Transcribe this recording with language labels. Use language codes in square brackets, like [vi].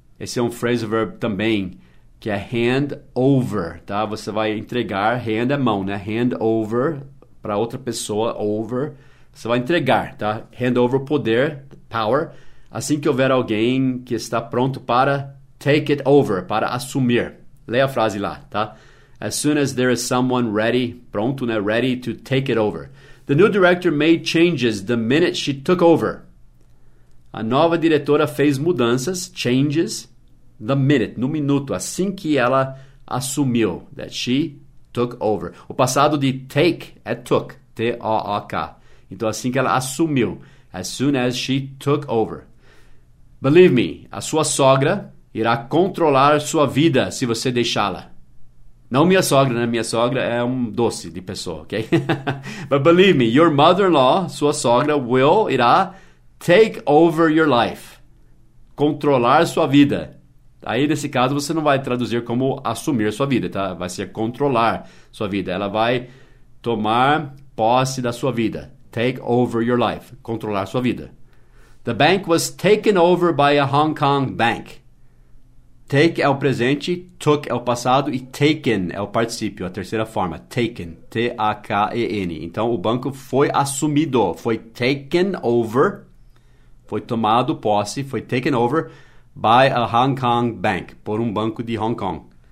[pt] Esse é um phrasal verb também, que é hand over, tá? Você vai entregar, hand é mão, né? Hand over para outra pessoa, over. Você vai entregar, tá? Hand over poder, power. Assim que houver alguém que está pronto para [en] take it over, [pt] para assumir. Leia a frase lá, tá? [en] As soon as there is someone ready, [pt] pronto, né? [en] Ready to take it over. The new director made changes the minute she took over. [pt] A nova diretora fez mudanças, changes, [en] the minute, [pt] no minuto, assim que ela assumiu, [en] that she took over. [pt] O passado de take é took, T-O-O-K. Então, assim que ela assumiu, [en] as soon as she took over. Believe me, [pt] a sua sogra, irá controlar sua vida se você deixá-la. Não minha sogra, né? Minha sogra é um doce de pessoa, ok? [en] But believe me, your mother-in-law, [pt] sua sogra, irá [en] take over your life. [pt] Controlar sua vida. Aí, nesse caso, você não vai traduzir como assumir sua vida, tá? Vai ser controlar sua vida. Ela vai tomar posse da sua vida. [en] Take over your life. [pt] Controlar sua vida. [en] The bank was taken over by a Hong Kong bank. [pt] Take é o presente, took é o passado e taken é o particípio, a terceira forma. Taken, T-A-K-E-N. Então, o banco foi assumido, foi taken over, foi tomado posse, foi taken over [en] by a Hong Kong bank, [pt] por um banco de Hong Kong.